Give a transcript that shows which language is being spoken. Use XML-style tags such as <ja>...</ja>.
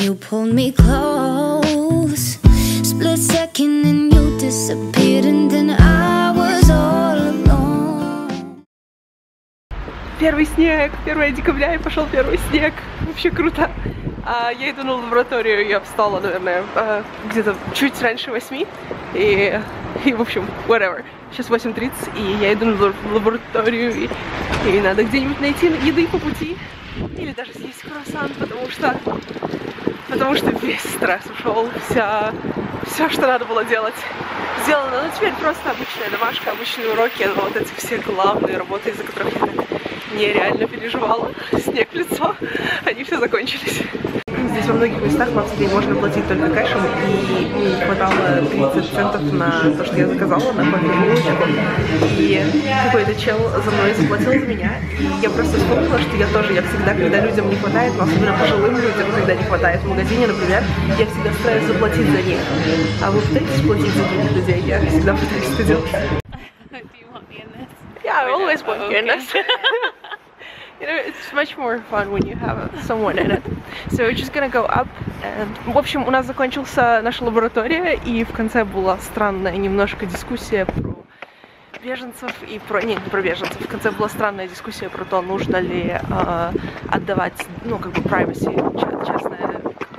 <en>Hold me close, split second and you disappeared, and then I was all alone.</en> <ru>первый снег, 1 декабря, и пошел первый снег. Вообще круто. Я иду на лабораторию, я встала, наверное, где-то чуть раньше 8. И в общем, whatever. Сейчас 8:30, и я иду на лабораторию, и надо где-нибудь найти еды по пути. Или даже съесть круассан, потому что весь стресс ушел, все, что надо было делать, сделано. Но теперь просто обычная домашка, обычные уроки, но вот эти все главные работы, из-за которых я нереально переживала, снег в лицо, они все закончились. Здесь во многих местах в Австрии можно платить только кэшем, и не хватало 30 центов на то, что я заказала, на кофе-булочку. И какой-то чел за мной заплатил за меня, и я просто вспомнила, что я тоже, я всегда, когда людям не хватает, но особенно пожилым людям, когда не хватает в магазине, например, я всегда стараюсь заплатить за них. А вы пытаетесь платить за других людей? Я всегда пытаюсь это делать.</ru> <en>Yeah, I always want to hear this. You know, it's much more fun when you have someone in it. So we're just gonna go up and...</en> <ru>В общем, у нас закончился наша лаборатория, и в конце была странная немножко дискуссия про беженцев и про... Нет, не про беженцев. В конце была странная дискуссия про то, нужно ли отдавать, ну, как бы, privacy, честное...</ru>